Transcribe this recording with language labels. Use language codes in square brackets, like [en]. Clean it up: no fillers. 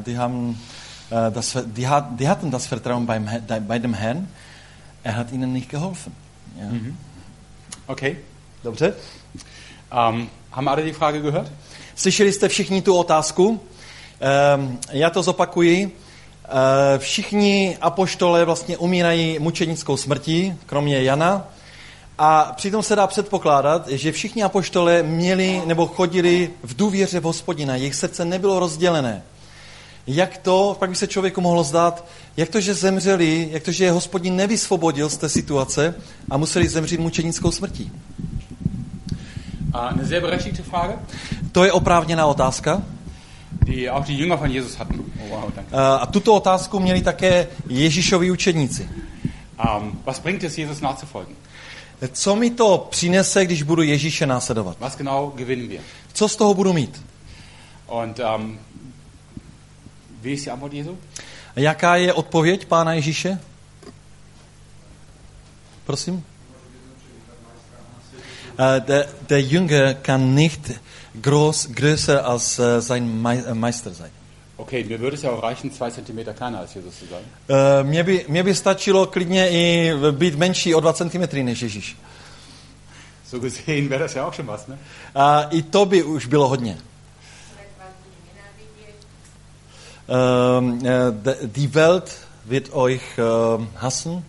[de] Die hatten das Vertrauen bei dem Herrn. Er hat ihnen nicht geholfen. Ja. Okay, [cs] dobře. [de] Haben alle die Frage gehört? [cs] Slyšeli jste všichni tu otázku? Já to zopakuji. Všichni apoštole vlastně umírají mučenickou smrtí, kromě Jana. A přitom se dá předpokládat, že všichni apoštole měli nebo chodili v důvěře v Hospodina. Jejich srdce nebylo rozdělené. Jak to, pak by se člověku mohlo zdát, jak to, že zemřeli, jak to, že je Hospodin nevysvobodil z té situace a museli zemřít mučenickou smrtí? [de] Eine sehr berechtigte Frage. [cs] To je oprávněná otázka. [de] Die auch die Jünger von Jesus hatten. Oh, wow, danke. [cs] A tuto otázku měli také Ježíšovi učeníci. [de] Was bringt es Jesus nachzufolgen? [cs] Co mi to přinese, když budu Ježíše následovat? [de] Was genau gewinnen wir? [cs] Co z toho budu mít? [de] Und wie ist die Antwort Jesu? [cs] Jaká je odpověď Pána Ježíše? Prosím. [de] Der Jünger kann nicht größer als sein Meister sein. Okay, mir würde es ja auch reichen, 2 cm kleiner als Jesus zu sein. [cs] Mě by stačilo klidně i být menší o 2 cm než Ježíš. [de] So gesehen wäre das ja auch schon was, ne? [cs] I to by už bylo hodně. [de] Die Welt wird euch hassen.